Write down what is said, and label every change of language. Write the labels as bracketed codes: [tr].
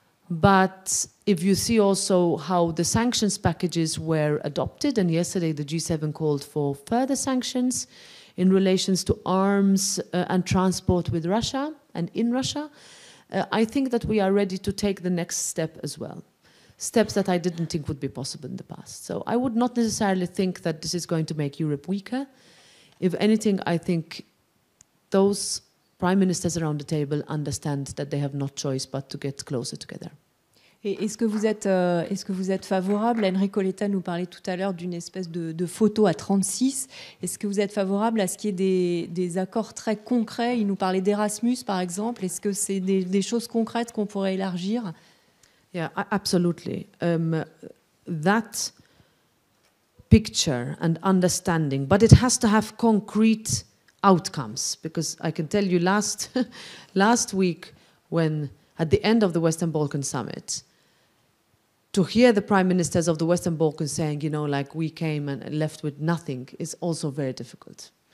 [en] But if you see also how the sanctions packages were adopted, and yesterday the G7 called for further sanctions in relation to arms and transport with Russia and in Russia, I think that we are ready to take the next step as well. Steps that I didn't think would be possible in the past. So I would not necessarily think that this is going to make Europe weaker. If anything, I think those prime ministers around the table understand that they have no choice but to get closer together. [fr] Et est-ce que vous êtes favorable, Enrico Letta nous parlait tout à l'heure d'une espèce de photo à 36, est-ce que vous êtes favorable à ce qu'il y ait des accords très concrets? Il nous parlait d'Erasmus, par exemple. Est-ce que c'est des choses concrètes qu'on pourrait élargir? [en] Yeah, absolutely. That picture and understanding, but it has to have concrete outcomes, because I can tell you last week when... At the end of the Western Balkan summit, to hear the prime ministers of the Western Balkans saying, you know, like we came and left with nothing, is also very difficult.